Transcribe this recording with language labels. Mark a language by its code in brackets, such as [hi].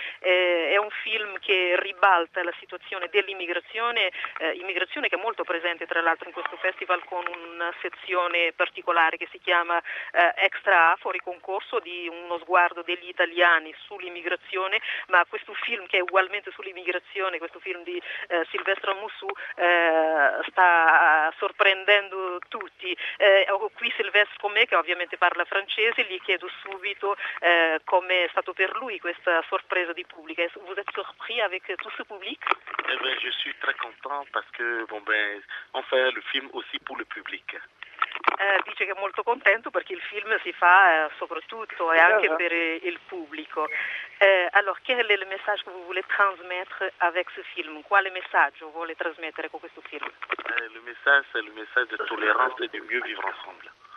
[it] È un film che ribalta la situazione dell'immigrazione, immigrazione che è molto presente tra l'altro in questo festival con una sezione particolare che si chiama Extra A, fuori concorso, di uno sguardo degli italiani sull'immigrazione, ma questo film che è ugualmente sull'immigrazione, questo film di Silvestro Amussu, sta sorprendendo tutti. Ho qui Silvestro con me, che ovviamente parla francese, gli chiedo subito com'è stato per lui questa sorpresa di pubblico. [fr] Vous êtes surpris avec tout ce public? Eh ben, je suis très content parce que bon ben on fait le film aussi pour le public. [it] Dice che è molto contento perché il film si fa soprattutto e anche per il pubblico. Allora, qual è il messaggio che vuole trasmettere [fr] avec ce film? [it] Quale messaggio vuole trasmettere con questo film? Il messaggio è il messaggio di tolleranza e di [fr] mieux vivre ensemble.